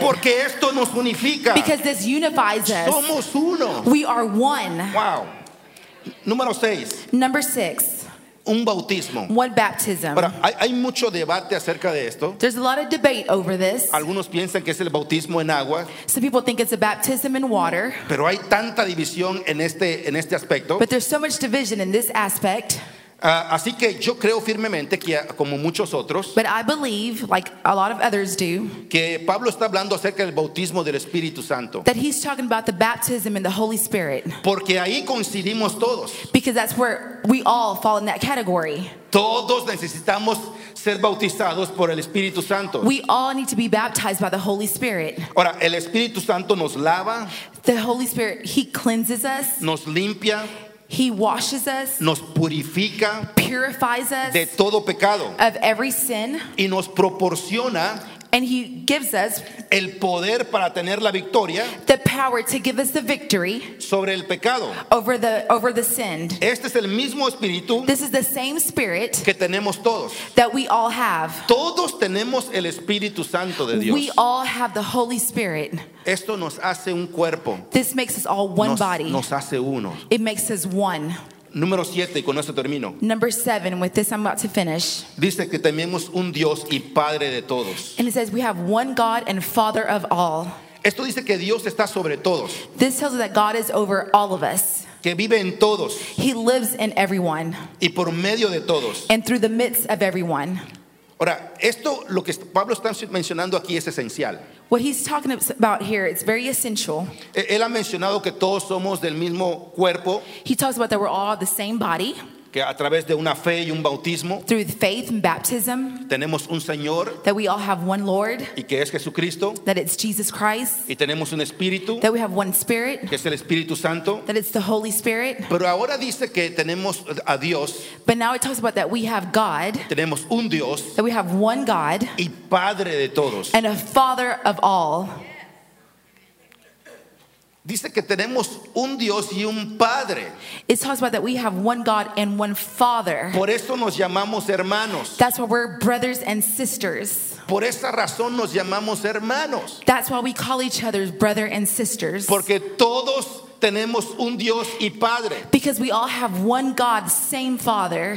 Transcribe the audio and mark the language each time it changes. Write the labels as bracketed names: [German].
[Spanish] Porque esto nos unifica. [English] Because this unifies us. [Spanish] Somos uno. [English] We are one. [Spanish] Wow. Número 6. [English] Number 6. [Spanish] Un bautismo. [English] One baptism. [Spanish] Pero hay mucho debate acerca de esto. [English] There's a lot of debate over this. [Spanish] Algunos piensan que es el bautismo en agua. [English] Some people think it's a baptism in water. [Spanish] Pero hay tanta división en este aspecto. [English] But there's so much division in this aspect. [Spanish] Así que yo creo firmemente que como muchos otros, [English] but I believe, like a lot of others do, [Spanish] que Pablo está hablando acerca del bautismo del Espíritu Santo, [English] that he's talking about the baptism in the Holy Spirit, [Spanish] porque ahí coincidimos todos, [English] because that's where we all fall in that category. [Spanish] Todos necesitamos ser bautizados por el Espíritu Santo. [English] We all need to be baptized by the Holy Spirit. [Spanish] Ahora, el Espíritu Santo nos lava. [English] The Holy Spirit, he cleanses us. [Spanish] Nos limpia. [English] He washes us, [Spanish] nos purifica, [English] purifies us [Spanish] de todo pecado, [English] of every sin, [Spanish] y nos proporciona, [English] and he gives us [Spanish] el poder para tener la victoria, [English] the power to give us the victory [Spanish] sobre el pecado, [English] over the sin. [Spanish] Este es el mismo espíritu, [English] this is the same spirit [Spanish] que tenemos todos, [English] that we all have. [Spanish] Todos tenemos el Espíritu Santo de Dios. [English] We all have the Holy Spirit. [Spanish] Esto nos hace un cuerpo. [English] This makes us all one body. [Spanish] Nos hace uno. [English] It makes us one. [Spanish] Número 7, y con esto termino. [English] Number 7, with this I'm about to finish. [Spanish] Dice que tenemos un Dios y Padre de todos. [English] And it says we have one God and Father of all. [Spanish] Esto dice que Dios está sobre todos. [English] This tells us that God is over all of us. [Spanish] Que vive en todos. [English] He lives in everyone. [Spanish] Y por medio de todos. [English] And through the midst of everyone. [Spanish] Ahora, esto, lo que Pablo está mencionando aquí es esencial. [English] What he's talking about here, it's very essential. [Spanish] Él ha mencionado que todos somos del mismo cuerpo. [English] He talks about that we're all the same body. [Spanish] Que a través de una fe y un bautismo. [English] Through faith and baptism. [Spanish] Tenemos un Señor. [English] That we all have one Lord. [Spanish] Y que es Jesucristo. [English] That it's Jesus Christ. [Spanish] Y tenemos un Espíritu. [English] That we have one Spirit. [Spanish] Que es el Espíritu Santo. [English] That it's the Holy Spirit. [Spanish] Pero ahora dice que tenemos a Dios. [English] But now it talks about that we have God. [Spanish] Tenemos un Dios. [English] That we have one God. [Spanish] Y Padre de todos. [English] And a Father of all. [Spanish] Dice que tenemos un Dios y un Padre. [English] It talks about that we have one God and one Father. [Spanish] Por eso nos llamamos hermanos. [English] That's why we're brothers and sisters. [Spanish] Por esa razón nos llamamos hermanos. [English] That's why we call each other brother and sisters. [Spanish] Porque todos tenemos un Dios y Padre. [English] Because we all have one God, same Father.